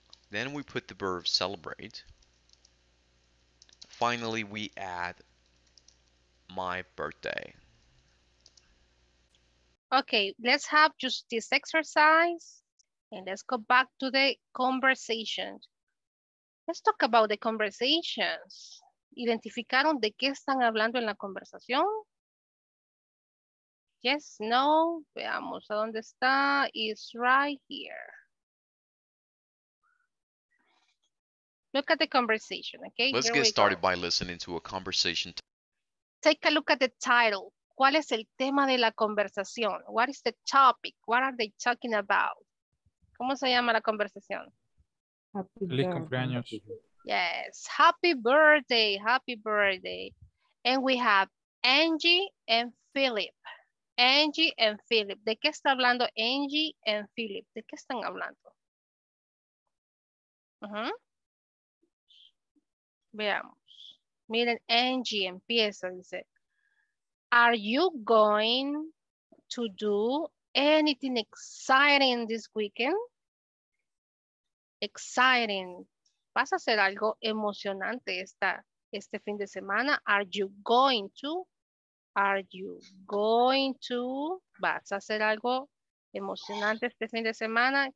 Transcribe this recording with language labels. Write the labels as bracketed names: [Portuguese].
[English] Then we put the verb celebrate. Finally, we add my birthday. Okay, let's have just this exercise and let's go back to the conversation. Let's talk about the conversations. [Spanish] ¿Identificaron de qué están hablando en la conversación? [English] Yes, [Spanish] no, veamos a dónde está. [English] It's right here. Look at the conversation, okay? Let's get started by listening to a conversation. Take a look at the title. [Spanish] ¿Cuál es el tema de la conversación? [English] What is the topic? What are they talking about? [Spanish] ¿Cómo se llama la conversación? Feliz cumpleaños. [English] Yes, happy birthday, happy birthday. And we have Angie and Philip. Angie and Philip. [Spanish] ¿De qué está hablando Angie and Philip? ¿De qué están hablando? Veamos. Miren, Angie empieza, dice, [English] are you going to do anything exciting this weekend? Exciting. [Spanish] ¿Vas a hacer algo emocionante este fin de semana? [English] Are you going to? Are you going to? [Spanish] ¿Vas a hacer algo emocionante este fin de semana?